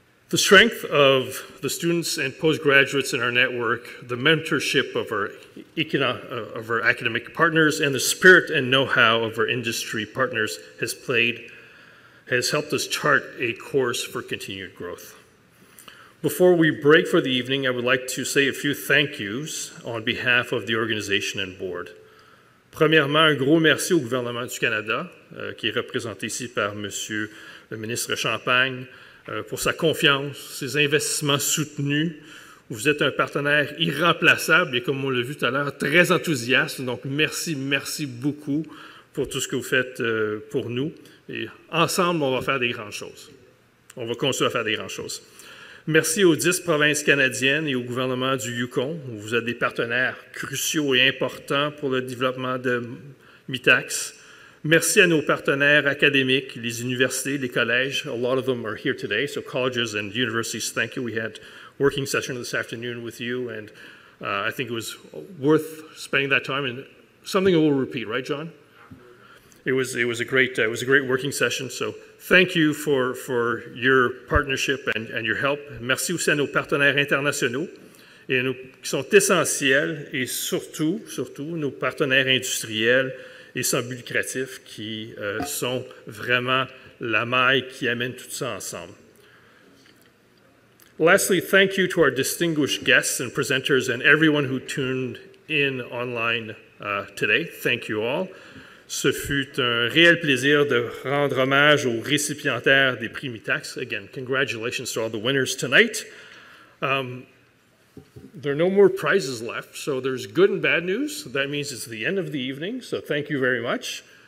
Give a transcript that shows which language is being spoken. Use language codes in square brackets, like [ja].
[en] The strength of the students and postgraduates in our network, the mentorship of our academic partners, and the spirit and know-how of our industry partners has helped us chart a course for continued growth. Before we break for the evening, I would like to say a few thank yous on behalf of the organization and board. [fr] Premièrement, un gros merci au gouvernement du Canada, qui est représenté ici par M. le ministre Champagne, pour sa confiance, ses investissements soutenus. Vous êtes un partenaire irremplaçable et, comme on l'a vu tout à l'heure, très enthousiaste. Donc, merci, merci beaucoup pour tout ce que vous faites pour nous. Et ensemble, on va faire des grandes choses. On va continuer à faire des grandes choses. Merci aux 10 provinces canadiennes et au gouvernement du Yukon. Vous êtes des partenaires cruciaux et importants pour le développement de MITACS. Merci à nos partenaires académiques, les universités, les collèges. [en] A lot of them are here today, so colleges and universities, thank you. We had a working session this afternoon with you, and I think it was worth spending that time. And something we'll repeat, right, John? It was a great working session. So thank you for your partnership and your help. [fr] Merci aussi à nos partenaires internationaux et nous, qui sont essentiels et surtout nos partenaires industriels et sans but lucratif qui sont vraiment la maille qui amène tout ça ensemble. [en] Lastly, thank you to our distinguished guests and presenters and everyone who tuned in online today. Thank you all. [fr] Ce fut un réel plaisir de rendre hommage aux récipiendaires des prix MITACS. [en] Again, congratulations to all the winners tonight. There are no more prizes left, so there's good and bad news. That means it's the end of the evening, so thank you very much.